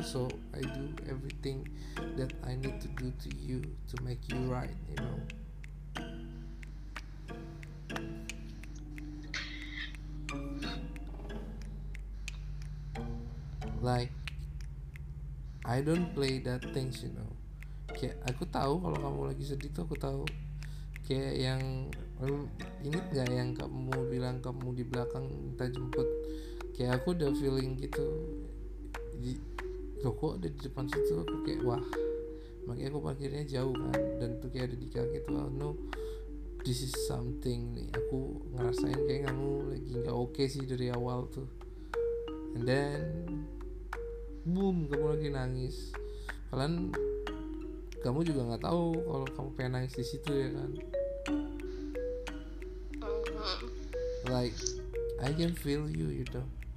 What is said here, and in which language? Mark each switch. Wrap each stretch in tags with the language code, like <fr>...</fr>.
<en>So I do everything that I need to do to you to make you right, you know. Like I don't play that things, you know.</en> <id>Kayak aku tahu kalau kamu lagi sedih tuh, aku tahu. Kayak yang ini enggak yang kamu bilang kamu di belakang minta jemput. Kayak aku udah feeling gitu. Jadi loh kok ada di depan situ, aku kayak wah. Makanya aku parkirnya jauh kan, dan tuh kayak ada di kaki tuh, oh, no.</id> <en>This is something nih.</en> <id>Aku ngerasain kayak kamu lagi enggak okay sih dari awal tuh.</id> <en>And then boom,</en> <id>kamu lagi nangis. Kalian kamu juga nggak tahu kalau kamu pengen nangis di situ ya kan.</id> <en>Like I can feel you, you know.</en>